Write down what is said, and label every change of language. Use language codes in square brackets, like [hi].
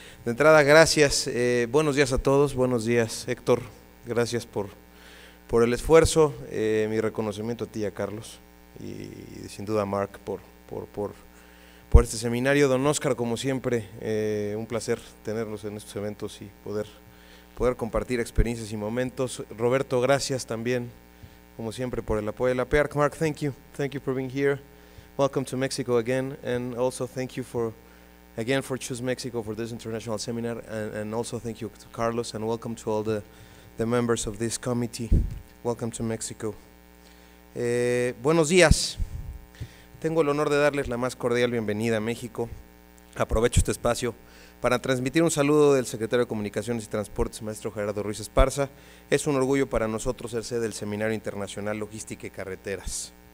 [es] De entrada, gracias, buenos días a todos, buenos días Héctor, gracias por el esfuerzo, mi reconocimiento a ti y a Carlos, y sin duda a Mark por este seminario. Don Oscar, como siempre, un placer tenerlos en estos eventos y poder compartir experiencias y momentos. Roberto, gracias también, como siempre, por el apoyo de la PIARC. [en] Mark, thank you for being here. Welcome to Mexico again, and also thank you for Choose Mexico for this international seminar, and also thank you to Carlos, and welcome to all the members of this committee. Welcome to Mexico. [es] Buenos días. Tengo el honor de darles la más cordial bienvenida a México. Aprovecho este espacio para transmitir un saludo del secretario de Comunicaciones y Transportes, maestro Gerardo Ruiz Esparza. Es un orgullo para nosotros ser sede del Seminario Internacional Logística y Carreteras.